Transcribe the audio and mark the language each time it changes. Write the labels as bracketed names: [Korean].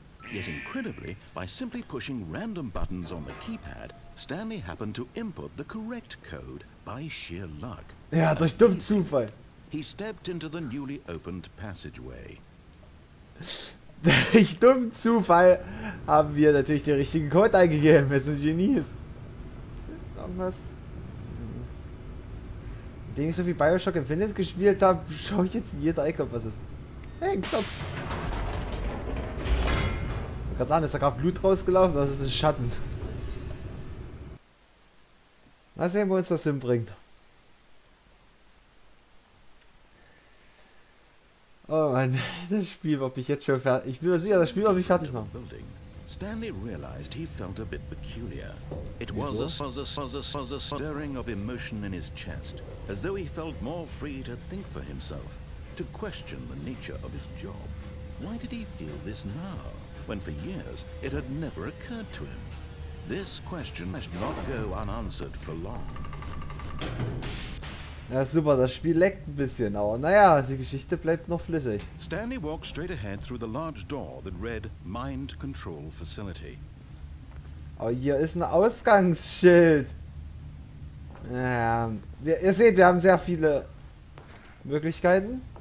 [English] Yet incredibly, by simply pushing random buttons on the keypad, Stanley happened to input the correct code by sheer luck. [German] Ja, durch dummen Zufall. [English] He stepped into the newly opened passageway. [German] Durch dummen Zufall haben wir natürlich den richtigen Code eingegeben. Wir sind Genies. Irgendwas? Nachdem ich so viel Bioshock Infinite gespielt habe, schaue ich jetzt in jeder Ecke, ob was ist. Hey, ein Knopf! Ich kann sagen, ist da gerade Blut rausgelaufen? Das ist ein Schatten. Mal sehen, wo uns das hinbringt. Oh Mann, das Spiel wird mich jetzt schon fertig. Ich bin mir sicher, das Spiel wird mich fertig machen. [English] Stanley realized he felt a bit peculiar. It was a stirring of emotion in his chest, as though he felt more free to think for himself, to question the nature of his job. Why did he feel this now, when for years it had never occurred to him? This question must not go unanswered for long. [German] Ja, super, das Spiel leckt ein bisschen, aber naja, die Geschichte bleibt noch flüssig. [English] Stanley walked straight ahead through the large door that read Mind Control Facility. [German] Oh, hier ist ein Ausgangsschild. Ihr seht, wir haben sehr viele Möglichkeiten.